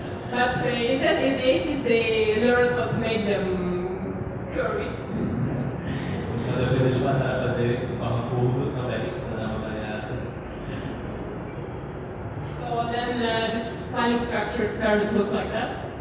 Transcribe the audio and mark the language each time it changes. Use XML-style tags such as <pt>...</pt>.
<en>But in the 80s, they learned how to make them curvy.</en> <pt>Então depois eles passaram a fazer de forma curva também, para dar uma variada.</pt> <en>So then this spinning structure started to look like that.</en>